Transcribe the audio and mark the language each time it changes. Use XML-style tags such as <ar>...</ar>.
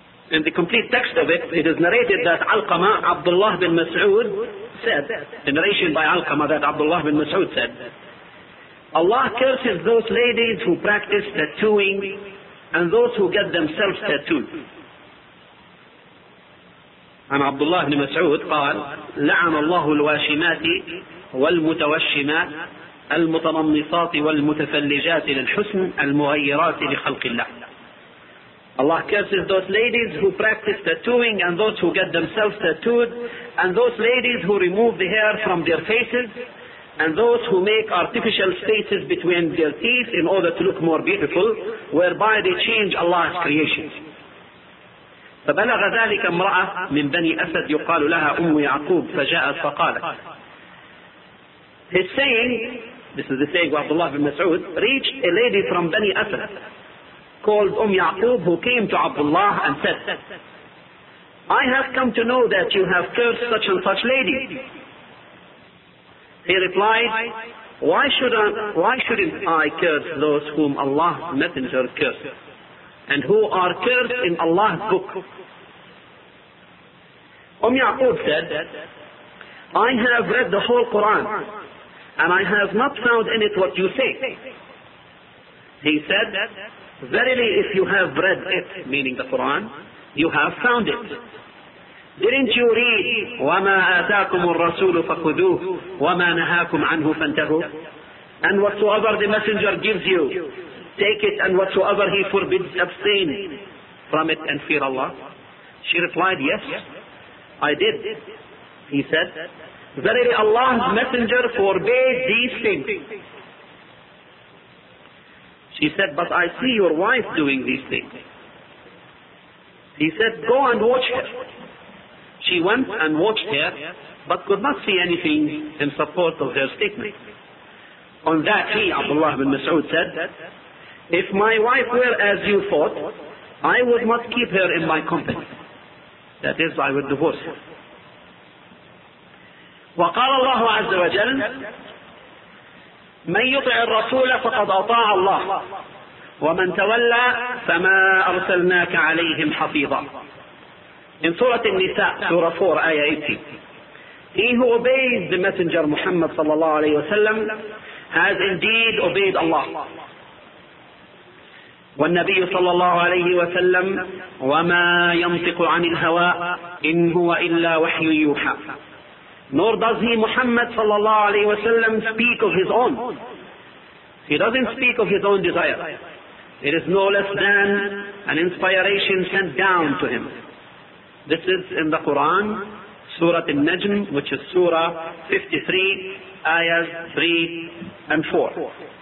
<en>in the complete text of it, it is narrated that Alqama, Abdullah bin Mas'ud, said, the narration by Alqama that Abdullah bin Mas'ud said, Allah curses those ladies who practice tattooing and those who get themselves tattooed.</en> <ar>And Abdullah bin Mas'ud قال, لعن الله الواشمات والمتوشمات المتنمصات والمتفلجات للحسن المغيرات لخلق الله.</ar> <en>Allah curses those ladies who practice tattooing and those who get themselves tattooed, and those ladies who remove the hair from their faces, and those who make artificial spaces between their teeth in order to look more beautiful, whereby they change Allah's creation.</en> <ar>فبلغ ذلك امرأة من بني أسد يقال لها أم يعقوب فجاءت فقالت.</ar> <en>His saying, this is the saying of Abdullah bin Mas'ud, reached a lady from Bani Asad called Umm Ya'qub, who came to Abdullah and said, I have come to know that you have cursed such and such lady. He replied, why shouldn't I curse those whom Allah's Messenger cursed and who are cursed in Allah's book? Umm Ya'qub said, I have read the whole Quran and I have not found in it what you say. He said, verily if you have read it, meaning the Quran, you have found it. Didn't you read,</en> <ar>وَمَا آتَاكُمُ الرَّسُولُ فَخُذُوهُ وَمَا نَهَاكُمْ عَنْهُ فَانْتَهُوا.</ar> <en>And whatsoever the messenger gives you, take it, and whatsoever he forbids, abstain from it and fear Allah. She replied, yes, I did. He said, verily Allah's Messenger forbade these things. She said, but I see your wife doing these things. He said, go and watch her. She went and watched her, but could not see anything in support of her statement. On that he, Abdullah bin Mas'ud, said, if my wife were as you thought, I would not keep her in my company. That is, I would divorce her.</en> <ar>وقال الله عز وجل من يطع الرسول فقد أطاع الله ومن تولى فما أرسلناك عليهم حفيظا.</ar> <en>In Surah An-Nisa, Surah 4, Ayah 18. He who obeys the Messenger Muhammad sallallahu alayhi wasallam has indeed obeyed Allah.</en> <ar>والنبي صلى الله عليه وسلم وما ينطق عن الهوى إن هو إلا وحي يوحى.</ar> <en>Nor does he, Muhammad sallallahu alayhi wa sallam, speak of his own. He doesn't speak of his own desire. It is no less than an inspiration sent down to him. This is in the Quran, Surah An-Najm, which is Surah 53, Ayahs 3 and 4.</en>